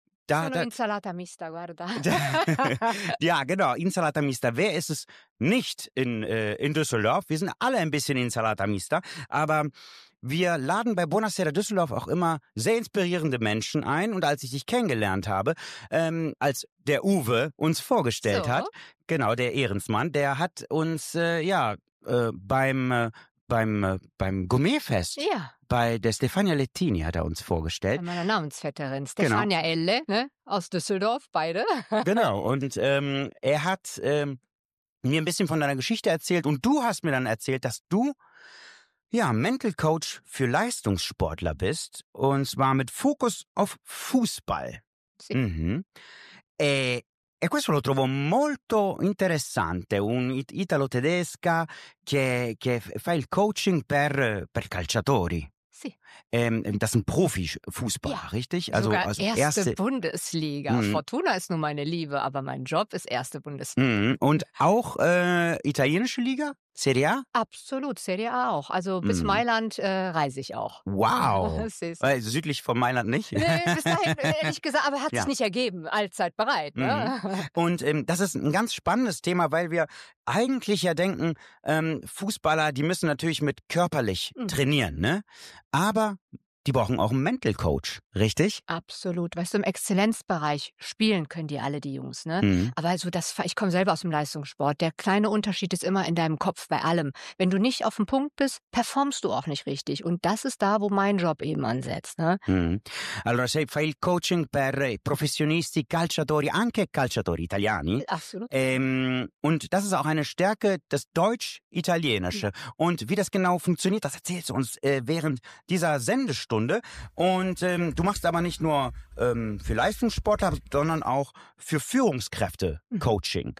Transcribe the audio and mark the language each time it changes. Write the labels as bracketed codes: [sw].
[it] Sono insalata mista, guarda. [de] Ja, genau, insalata mista. Wer ist es nicht in Düsseldorf? Wir sind alle ein bisschen insalata mista. Aber wir laden bei Buonasera Düsseldorf auch immer sehr inspirierende Menschen ein. Und als ich dich kennengelernt habe, als der Uwe uns vorgestellt hat, genau, der Ehrensmann, der hat uns beim Gourmetfest. Ja. Bei der Stefania Lettini hat er uns vorgestellt. Meiner Namensvetterin, Stefania Elle, ne? Aus Düsseldorf, beide. Genau, und er hat mir ein bisschen von deiner Geschichte erzählt und du hast mir dann erzählt, dass du ja Mental Coach für Leistungssportler bist, und zwar mit Fokus auf Fußball. [it] Sì. Mhm. E questo lo trovo molto interessante, un italo-tedesca che fa il coaching per calciatori. Sì. [de] Das sind Profifußballer, ja, richtig? Also sogar erste Bundesliga. Mhm. Fortuna ist nur meine Liebe, aber mein Job ist erste Bundesliga. Mhm. Und auch italienische Liga? Serie A? Absolut, Serie A auch. Also bis Mailand reise ich auch. Wow. Also südlich von Mailand nicht? Nee, bis dahin, ehrlich gesagt, aber hat sich nicht ergeben. Allzeit bereit. Ne? Mhm. Und das ist ein ganz spannendes Thema, weil wir eigentlich ja denken, Fußballer, die müssen natürlich mit körperlich trainieren, ne? Aber die brauchen auch einen Mental Coach, richtig? Absolut. Weißt du, im Exzellenzbereich spielen können die alle, die Jungs, ne? Mhm. Aber also ich komme selber aus dem Leistungssport. Der kleine Unterschied ist immer in deinem Kopf bei allem. Wenn du nicht auf dem Punkt bist, performst du auch nicht richtig. Und das ist da, wo mein Job eben ansetzt, ne? Mhm. [it] Allora, sei fai il coaching per professionisti, calciatori, anche calciatori italiani. [de] Absolut. Und das ist auch eine Stärke, das Deutsch-Italienische. Mhm. Und wie das genau funktioniert, das erzählst du uns während dieser Sendestunde. Stunde. Und du machst aber nicht nur für Leistungssportler, sondern auch für Führungskräfte Coaching.